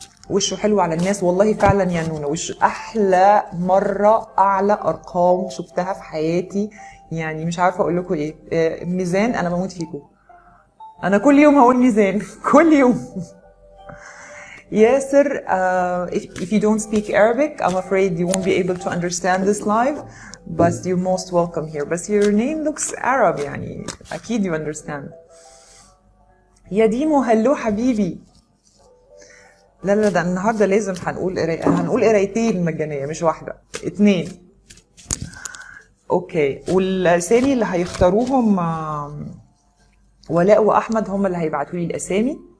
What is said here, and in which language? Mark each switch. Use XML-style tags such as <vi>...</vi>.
<ar>وشه حلو على الناس، والله فعلا يا نونا وش احلى مره، اعلى ارقام شفتها في حياتي، يعني مش عارفة اقول لكم ايه. ميزان انا بموت فيكو، انا كل يوم هقول ميزان كل يوم.</ar> <en>ياسر: if you don't speak Arabic I'm afraid you won't be able to understand this live, but you're most welcome here. But your name looks Arab,</en> <ar>يعني اكيد</ar> <en>you understand.</en> <ar>يا ديمو هلو حبيبي. لا لا، ده النهاردة لازم هنقول قرايتين مجانية، مش واحدة، اتنين. اوكي، والاسامي اللي هيختاروهم ولاء واحمد هم اللي هيبعتوا لي الاسامي.</ar>